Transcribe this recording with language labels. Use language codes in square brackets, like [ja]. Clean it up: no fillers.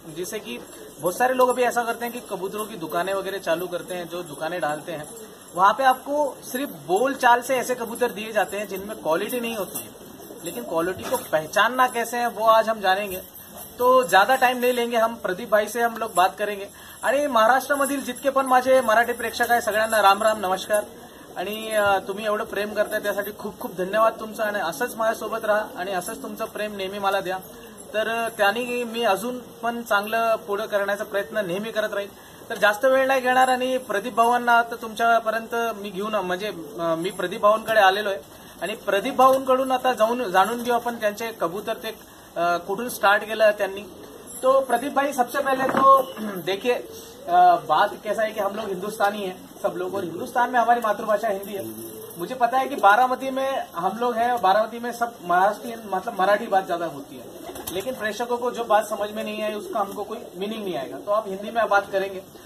[hi] जैसे कि बहुत सारे लोग अभी ऐसा करते हैं कि कबूतरों की दुकानें वगैरह चालू करते हैं, जो दुकानें डालते हैं वहां पे आपको सिर्फ बोल चाल से ऐसे कबूतर दिए जाते हैं जिनमें क्वालिटी नहीं होती है। लेकिन क्वालिटी को पहचानना कैसे है वो आज हम जानेंगे। तो ज्यादा टाइम नहीं लेंगे, हम प्रदीप भाई से हम लोग बात करेंगे। [mr] आणि महाराष्ट्र मधील जितके पण माझे मराठी प्रेक्षक आहे सगळ्यांना राम राम, नमस्कार। आणि तुम्ही एवढं प्रेम करताय त्यासाठी खूप खूप धन्यवाद तुमचं। आणि असंच माझ्यासोबत राहा आणि असंच तुमचं प्रेम नेहमी मला द्या, तर त्यांनी मी अजून पण चांगलं पुढे करण्याचा प्रयत्न नेहमी करत राहील। तर जास्त वेळ नाही घेणार आणि प्रदीप भाऊंना आता तुमच्यापर्यंत मी घेऊन, म्हणजे मी प्रदीप भाऊंकडे आलेलो आहे आणि प्रदीप भाऊंकडून आता जाऊन जाणून घेऊ आपण त्यांचे कबूतर ते कुठून स्टार्ट केलं त्यांनी। [hi] तो प्रदीप भाई, सबसे पहले तो देखिए बात कैसा है कि हम लोग हिंदुस्तानी हैं सब लोग, और हिंदुस्तान में हमारी मातृभाषा हिंदी है। मुझे पता है कि बारामती में हम लोग हैं, बारामती में सब महाराष्ट्रीय, मतलब मराठी बात ज्यादा होती है, लेकिन प्रेक्षकों को जो बात समझ में नहीं आई उसका हमको कोई मीनिंग नहीं आएगा, तो आप हिंदी में बात करेंगे।